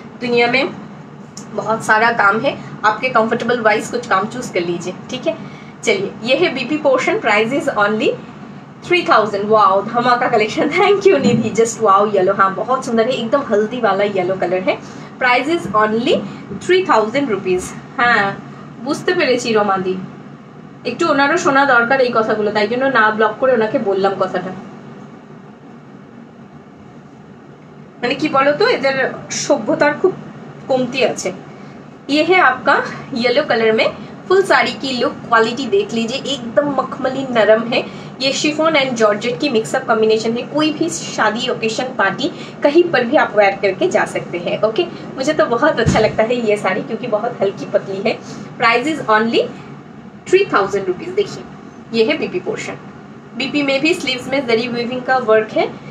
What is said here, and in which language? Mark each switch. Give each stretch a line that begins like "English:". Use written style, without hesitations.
Hindi: दुनिया में बहुत सारा काम है, आपके कंफर्टेबल वाइज कुछ काम चूज कर लीजिए, ठीक है। चलिए, ये है BP portion,
English: Price is only 3000।
Hindi: Wow, धमाका collection, thank you Nidhi, just wow yellow, हाँ बहुत सुंदर है, एकदम हल्दी वाला येलो कलर है।
English: Price is only 3000 rupees.
Bangla: हाँ বুঝতে পেরেছি রমাদি, একটু ওনারও শোনা দরকার এই কথাগুলো, তাই জন্য না ব্লক করে ওনাকে বললাম কথাটা। মানে কি বলতো, এদের সভ্যতার খুব কমতি আছে।
Hindi: ইয়ে হে আপকা ইয়েলো কালার মে ফুল সাড়ি কি লুক, কোয়ালিটি দেখ লিজিয়ে, একদম মখমলি নরম হে। ये शिफोन एंड जॉर्जेट की मिक्सअप कॉम्बिनेशन है, कोई भी शादी ओकेशन पार्टी कहीं पर भी आप वेयर करके जा सकते हैं। ओके, मुझे तो बहुत अच्छा लगता है ये साड़ी क्योंकि बहुत हल्की पतली है।
English: Price is only 3000 rupees.
Hindi: देखिए ये है बीपी पोर्शन, बीपी में भी स्लीव्स में जरी वीविंग का वर्क है।